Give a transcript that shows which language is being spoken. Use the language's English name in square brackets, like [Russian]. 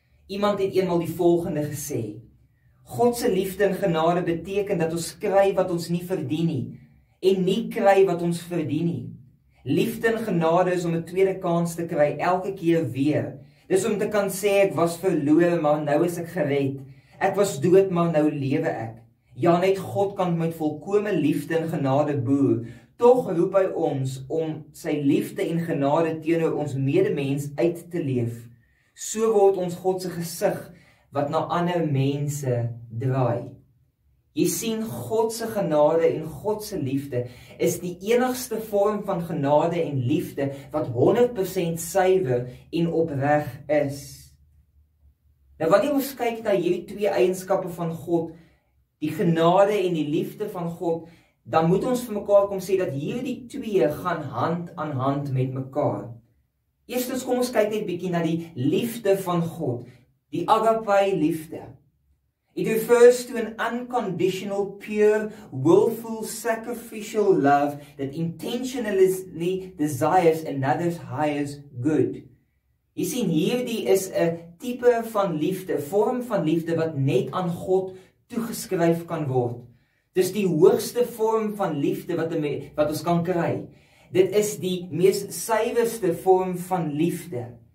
[Afrikaans] Iemand het eenmal die volgende gesê: God se liefde en genade beteken dat ons kry wat ons nie verdien nie en nie kry wat ons verdien nie. Liefde en genade is om 'n tweede kans te kry elke keer weer. Dis om te kan sê ek was verlore maar nou is ek gered. Ek was dood maar nou lewe ek. Ja, net God kan met volkome liefde en genade boer. Tog roep hy ons om sy liefde en genade teenoor ons medemens uit te leef. So word ons God se gesig wat na ander mense draai. Jy sien, God se genade en God se liefde is die enigste vorm van genade en liefde wat 100% suiwer en opreg is. Nou wanneer ons kyk na hierdie twee eienskappe van God, die genade en die liefde van God, dan moet ons vir mekaar kom sê dat hierdie twee gaan hand aan hand met mekaar. Eerstens kom ons kyk net bietjie na die liefde van God, die agape liefde. [English] It refers to an unconditional, pure, willful, sacrificial love that intentionally desires another's highest good. [Afrikaans] Jy sien, hierdie is 'n tipe van liefde, vorm van liefde wat net aan God toegeskryf kan word. Dis die hoogste vorm van liefde wat ons kan kry. Dit is die mees suiwerste vorm van liefde.